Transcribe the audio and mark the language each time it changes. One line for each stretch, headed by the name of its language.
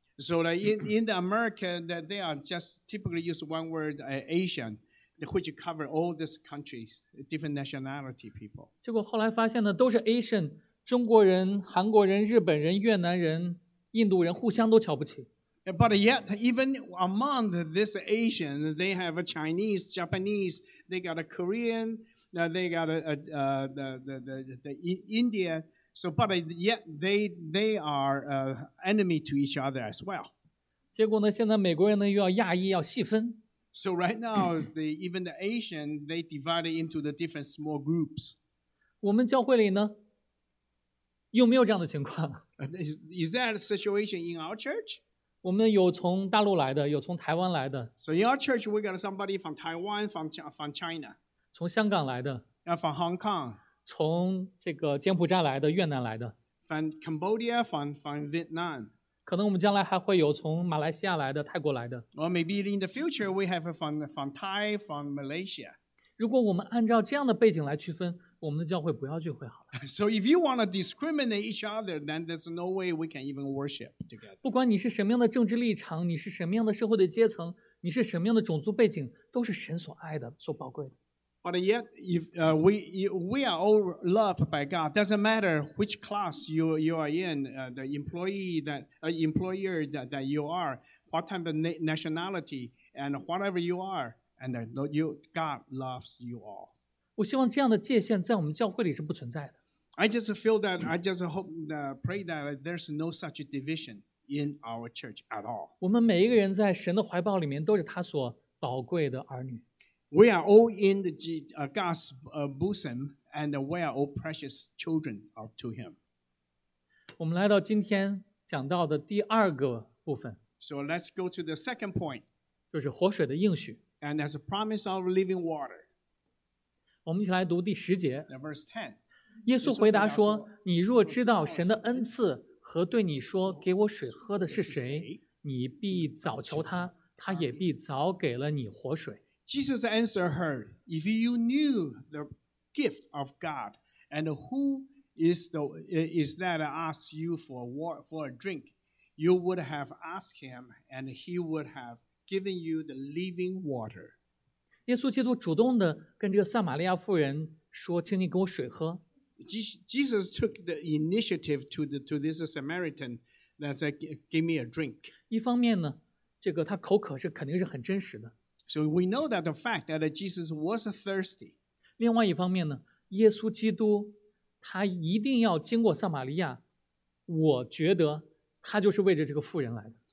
English: So in the America, they are just typically use one word, Asian, which cover all these countries, different nationality people.
Chinese: 结果后来发现呢，都是 Asian, 中国人、韩国人、日本人、越南人、印度人互相都瞧不起。
English: But yet, even among this Asian, they have a Chinese, Japanese, they got a Korean, they got the India. So, but yet they are enemy to each other as well.
Chinese: 结果呢，现在美国人呢又要亚裔要细分。
English: So right now, even the Asian, they divide into the different small groups.
Chinese: 我们教会里呢，有没有这样的情况？
English: Is that a situation in our church?
Chinese: 我们有从大陆来的，有从台湾来的。
English: So in our church, we got somebody from Taiwan, from China.
Chinese: 从香港来的。
English: From Hong Kong.
Chinese: 从这个柬埔寨来的，越南来的。
English: From Cambodia, from Vietnam.
Chinese: 可能我们将来还会有从马来西亚来的，泰国来的。
English: Or maybe in the future, we have from Thai, from Malaysia.
Chinese: 如果我们按照这样的背景来区分，我们的教会不要聚会好了。
English: So if you want to discriminate each other, then there's no way we can even worship together.
Chinese: 不管你是什么样的政治立场，你是什么样的社会的阶层，你是什么样的种族背景，都是神所爱的，所宝贵的。
English: But yet, if we are all loved by God, doesn't matter which class you are in, the employee that employer that you are, what type of nationality and whatever you are, and God loves you all.
Chinese: 我希望这样的界限在我们教会里是不存在的。
English: I just feel that, I just hope, pray that there's no such division in our church at all.
Chinese: 我们每一个人在神的怀抱里面都是他所宝贵的儿女。
English: We are all in the God's bosom, and we are all precious children to him.
Chinese: 我们来到今天讲到的第二个部分。
English: So let's go to the second point.
Chinese: 就是活水的应许。
English: And there's a promise of living water.
Chinese: 我们一起来读第十节。
English: Verse 10.
Chinese: 耶稣回答说，你若知道神的恩赐和对你说给我水喝的是谁，你必早求他，他也必早给了你活水。
English: Jesus answered her, if you knew the gift of God, and who is that asks you for a drink, you would have asked him, and he would have given you the living water.
Chinese: 耶稣基督主动地跟这个撒玛利亚妇人说，请你给我水喝。
English: Jesus took the initiative to this Samaritan that said, give me a drink.
Chinese: 一方面呢，这个他口渴是肯定是很真实的。
English: So we know that the fact that Jesus was thirsty.
Chinese: 另外一方面呢，耶稣基督他一定要经过撒玛利亚，我觉得他就是为着这个妇人来的。